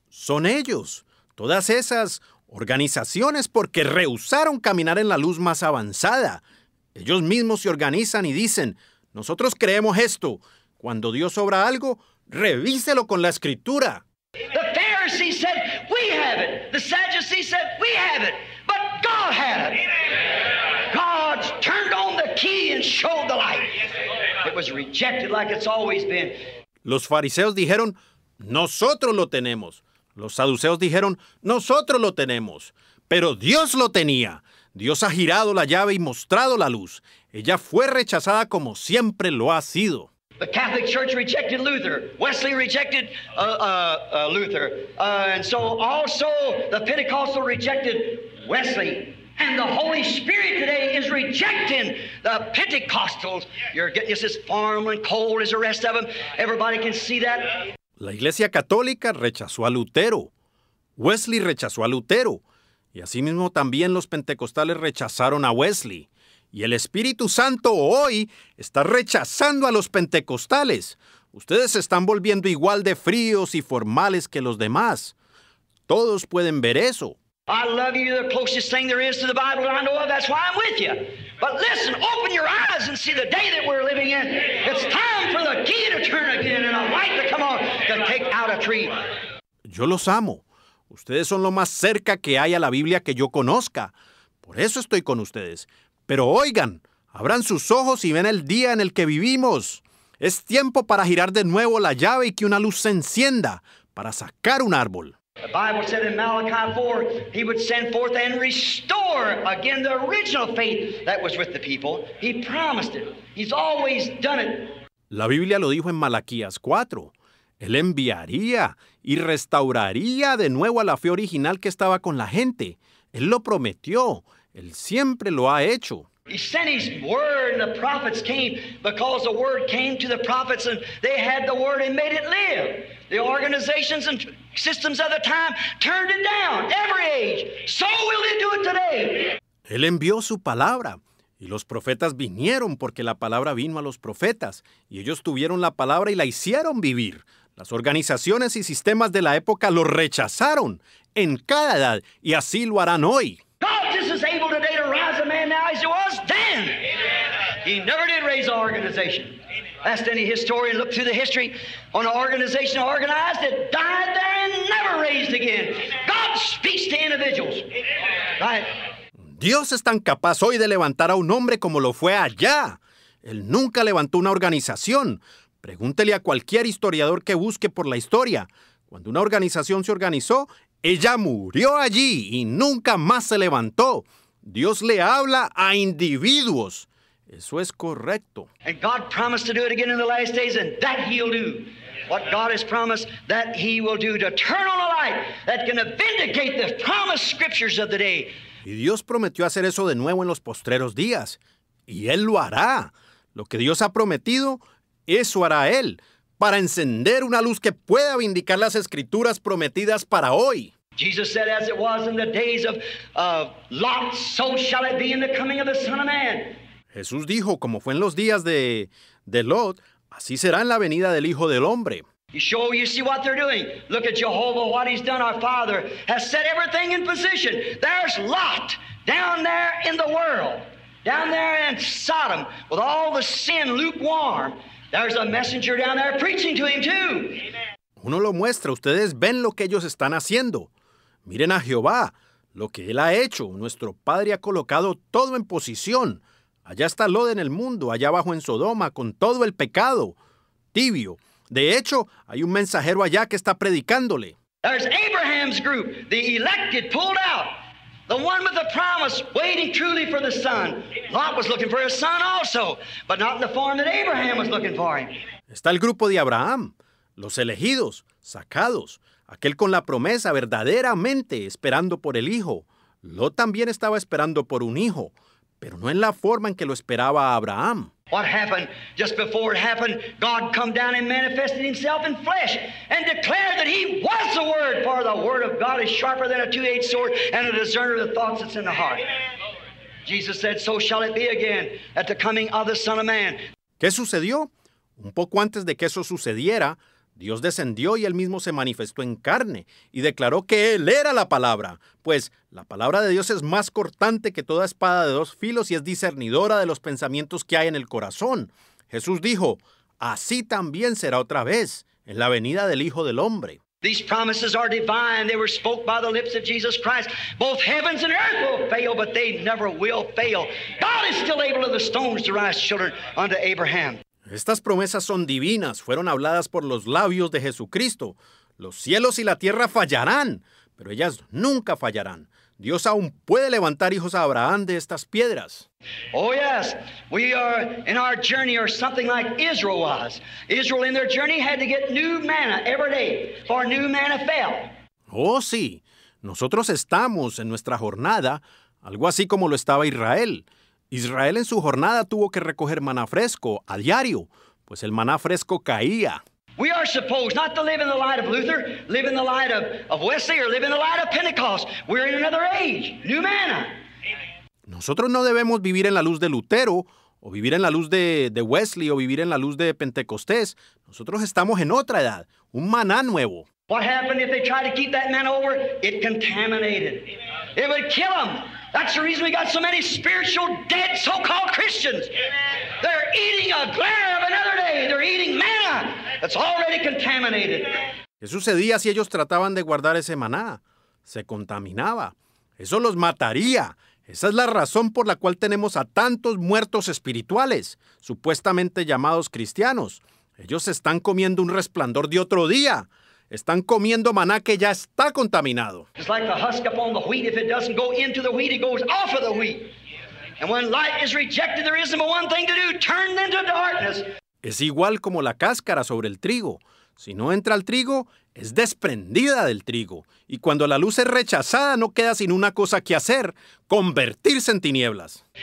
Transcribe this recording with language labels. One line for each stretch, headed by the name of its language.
Spanish: Son ellos, todas esas organizaciones porque rehusaron caminar en la luz más avanzada. Ellos mismos se organizan y dicen, nosotros creemos esto. Cuando Dios obra algo, revíselo con la escritura.
English: The Pharisees said, we have it. The Sadducees said, we have it. But God had it. God turned on the key and showed the light. It was rejected like it's always been.
Spanish: Los fariseos dijeron, nosotros lo tenemos. Los saduceos dijeron, nosotros lo tenemos, pero Dios lo tenía. Dios ha girado la llave y mostrado la luz. Ella fue rechazada como siempre lo ha sido.
English: The Catholic Church rejected Luther. Wesley rejected Luther. And so also the Pentecostal rejected Wesley. And the Holy Spirit today is rejecting the Pentecostals. You're getting just as formal and cold as the rest of them. Everybody can see that.
Spanish: La Iglesia Católica rechazó a Lutero. Wesley rechazó a Lutero. Y asimismo también los pentecostales rechazaron a Wesley. Y el Espíritu Santo hoy está rechazando a los pentecostales. Ustedes se están volviendo igual de fríos y formales que los demás. Todos pueden ver eso.
English: I love you, the closest thing there is to the Bible that I know of. That's why I'm with you. But listen, open your eyes and see the day that we're living in. It's time for the key to turn again and a light to come on to take out a tree.
Spanish: Yo los amo. Ustedes son lo más cerca que hay a la Biblia que yo conozca. Por eso estoy con ustedes. Pero oigan, abran sus ojos y ven el día en el que vivimos. Es tiempo para girar de nuevo la llave y que una luz se encienda para sacar un árbol.
English: The Bible said in Malachi 4, he would send forth and restore again the original faith that was with the people. He promised it. He's always done it.
Spanish: La Biblia lo dijo en Malaquías 4. Él enviaría y restauraría de nuevo a la fe original que estaba con la gente. Él lo prometió. Él siempre lo ha hecho.
English: He sent his word and the prophets came because the word came to the prophets and they had the word and made it live. The organizations and systems of the time turned it down, every age. So will they do it today.
Spanish: Él envió su palabra y los profetas vinieron porque la palabra vino a los profetas y ellos tuvieron la palabra y la hicieron vivir. Las organizaciones y sistemas de la época lo rechazaron en cada edad y así lo harán hoy.
English: God just is able today to rise a man now as he was then. He never did raise an organization. Ask any historian, look through the history on an organization organized that died there and never raised again. God speaks to individuals. Right?
Spanish: Dios es tan capaz hoy de levantar a un hombre como lo fue allá. Él nunca levantó una organización. Pregúntele a cualquier historiador que busque por la historia. Cuando una organización se organizó, ella murió allí y nunca más se levantó. Dios le habla a individuos. Eso es correcto.
English: And God promised to do it again in the last days, and that he'll do. What God has promised, that he will do, to turn on a light that can vindicate the promised scriptures of the day.
Spanish: Y Dios prometió hacer eso de nuevo en los postreros días. Y él lo hará. Lo que Dios ha prometido, eso hará él. Para encender una luz que pueda vindicar las escrituras prometidas para hoy.
English: Jesus said, as it was in the days of Lot, so shall it be in the coming of the Son of Man.
Spanish: Jesús dijo, como fue en los días de Lot, así será en la venida del Hijo del Hombre.
English: You see what they're doing. Look at Jehovah, what he's done. Our Father has set everything in position. There's Lot down there in the world, down there in Sodom, with all the sin lukewarm. There's a messenger down there preaching to him too.
Spanish: Uno lo muestra. Ustedes ven lo que ellos están haciendo. Miren a Jehová, lo que él ha hecho. Nuestro Padre ha colocado todo en posición. Allá está Lot en el mundo, allá abajo en Sodoma, con todo el pecado, tibio. De hecho, hay un mensajero allá que está predicándole.
English: There's Abraham's group, the elected, pulled out. The one with the promise, waiting truly for the son. Lot was looking for his son also, but not in the form that Abraham was looking for him.
Spanish: Está el grupo de Abraham, los elegidos, sacados. Aquel con la promesa, verdaderamente, esperando por el hijo. Lot también estaba esperando por un hijo, pero no en la forma en que lo esperaba Abraham.
English: What happened just before it happened? God come down and manifested himself in flesh and declared that he was the word, for the word of God is sharper than a two-edged sword and a discerner of the thoughts that's in the heart. Jesus said, so shall it be again at the coming of the Son of Man.
Spanish: ¿Qué sucedió? Un poco antes de que eso sucediera, Dios descendió y él mismo se manifestó en carne y declaró que él era la palabra, pues la palabra de Dios es más cortante que toda espada de dos filos y es discernidora de los pensamientos que hay en el corazón. Jesús dijo, así también será otra vez en la venida del Hijo del Hombre.
English: These promises are divine. They were spoke by the lips of Jesus Christ. Both heavens and earth will fail, but they never will fail. God is still able of the stones to rise children unto Abraham.
Spanish: Estas promesas son divinas, fueron habladas por los labios de Jesucristo. Los cielos y la tierra fallarán, pero ellas nunca fallarán. Dios aún puede levantar hijos a Abraham de estas piedras.
English: Oh, yes, we are in our journey or something like Israel was. Israel in their journey had to get new manna every day, for new manna fell.
Spanish: Oh, sí, nosotros estamos en nuestra jornada, algo así como lo estaba Israel. Israel en su jornada tuvo que recoger maná fresco a diario, pues el maná fresco caía.
English: We are supposed not to live in the light of Luther, live in the light of Wesley, or live in the light of Pentecost. We're in another age, new manna.
Spanish: Nosotros no debemos vivir en la luz de Lutero, o vivir en la luz de Wesley, o vivir en la luz de Pentecostés. Nosotros estamos en otra edad, un maná nuevo.
English: What happened if they tried to keep that manna over? It contaminated. Amen. It would kill them. That's the reason we got so many spiritual dead so-called Christians. Amen. They're eating a glare of another day. They're eating manna that's already contaminated.
Spanish: ¿Qué sucedía si ellos trataban de guardar ese maná? Se contaminaba. Eso los mataría. Esa es la razón por la cual tenemos a tantos muertos espirituales, supuestamente llamados cristianos. Ellos están comiendo un resplandor de otro día. Están comiendo maná que ya está contaminado.
English: It's like the husk upon the wheat. If it doesn't go into the wheat, it goes off of the wheat. And when light is rejected, there isn't but one thing to do, turn into darkness.
Spanish: Es igual como la cáscara sobre el trigo. Si no entra al trigo, es desprendida del trigo. Y cuando la luz es rechazada, no queda sin una cosa que hacer, convertirse en tinieblas.